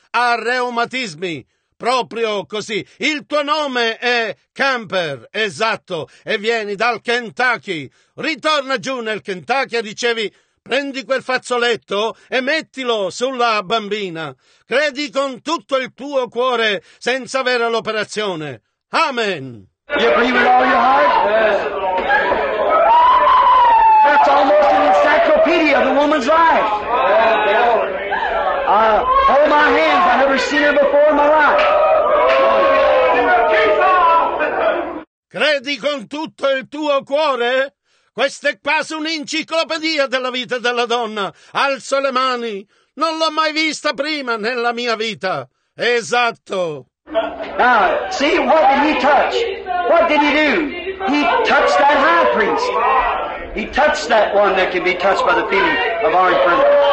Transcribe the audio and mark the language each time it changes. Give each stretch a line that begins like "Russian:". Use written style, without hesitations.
Italian: Ha reumatismi. Proprio così. Il tuo nome è Camper. Esatto. E vieni dal Kentucky. Ritorna giù nel Kentucky e ricevi... Prendi quel fazzoletto e mettilo sulla bambina. Credi con tutto il tuo cuore senza avere l'operazione. Amen.
English: You believe with all your heart? Yeah. That's almost an encyclopedia of the woman's life. Hold my hands. I've never seen her before in my life.
Italian: Credi con tutto il tuo cuore? Questa è quasi un'enciclopedia della vita della donna. Alzo le mani. Non l'ho mai vista prima nella mia vita. Esatto.
English: Now, see, what did he touch? What did he do? He touched that high priest. He touched that one that can be touched by the feeling of our infirmity.